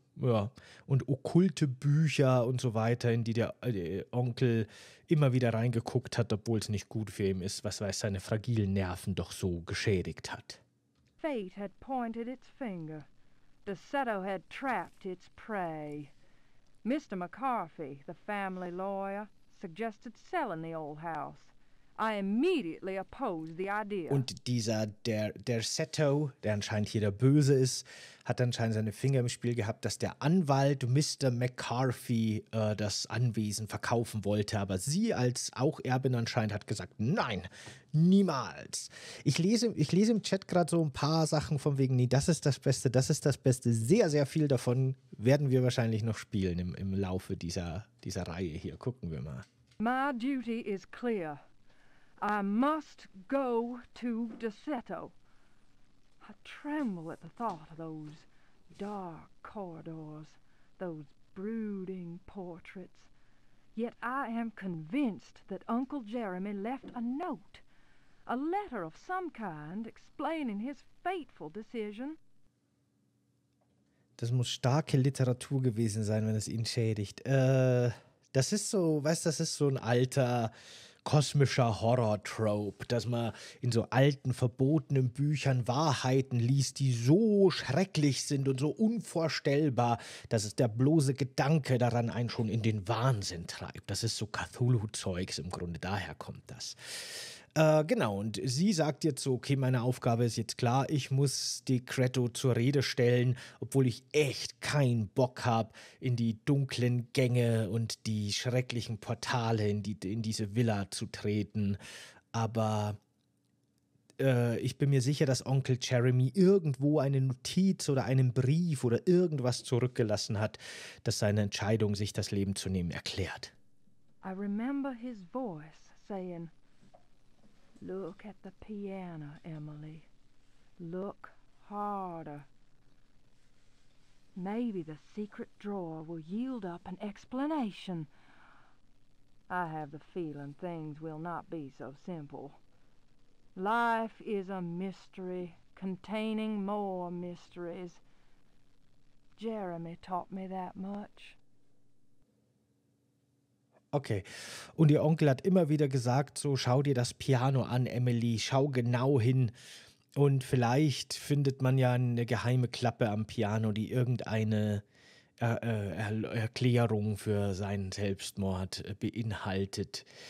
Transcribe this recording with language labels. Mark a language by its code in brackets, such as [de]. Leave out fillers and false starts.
[de] Ja, und okkulte Bücher und so weiter, in die der Onkel immer wieder reingeguckt hat, obwohl es nicht gut für ihn ist, was weiß, seine fragilen Nerven doch so geschädigt hat. [en] Fate had pointed its finger. DeSeto had trapped its prey. Mr. McCarthy, the family lawyer, suggested selling the old house. I immediately opposed the idea. [de] Und dieser DeSeto, der anscheinend hier der Böse ist, hat anscheinend seine Finger im Spiel gehabt, dass der Anwalt Mr. McCarthy das Anwesen verkaufen wollte. Aber sie als auch Erbin anscheinend hat gesagt, nein, niemals. Ich lese im Chat gerade so ein paar Sachen von wegen, nee, das ist das Beste, das ist das Beste. Sehr, sehr viel davon werden wir wahrscheinlich noch spielen im Laufe dieser Reihe hier. Gucken wir mal. [en] My duty is clear. I must go to DeSeto. I tremble at the thought of those dark corridors, those brooding portraits. Yet I am convinced that Uncle Jeremy left a note, a letter of some kind explaining his fateful decision. [de] Das muss starke Literatur gewesen sein, wenn es ihn schädigt. Das ist so, weißt, das ist so ein alter kosmischer Horror-Trope, dass man in so alten, verbotenen Büchern Wahrheiten liest, die so schrecklich sind und so unvorstellbar, dass es der bloße Gedanke daran einen schon in den Wahnsinn treibt. Das ist so Cthulhu-Zeugs im Grunde, daher kommt das. Genau, und sie sagt jetzt so, okay, meine Aufgabe ist jetzt klar, ich muss die Creto zur Rede stellen, obwohl ich echt keinen Bock habe, in die dunklen Gänge und die schrecklichen Portale in diese Villa zu treten. Aber ich bin mir sicher, dass Onkel Jeremy irgendwo eine Notiz oder einen Brief oder irgendwas zurückgelassen hat, das seine Entscheidung, sich das Leben zu nehmen, erklärt. [en] I remember his voice saying, look at the piano, Emily. Look harder. Maybe the secret drawer will yield up an explanation. I have the feeling things will not be so simple. Life is a mystery containing more mysteries. Jeremy taught me that much. [de] Okay, und ihr Onkel hat immer wieder gesagt, so schau dir das Piano an, Emily, schau genau hin. Und vielleicht findet man ja eine geheime Klappe am Piano, die irgendeine Erklärung für seinen Selbstmord beinhaltet.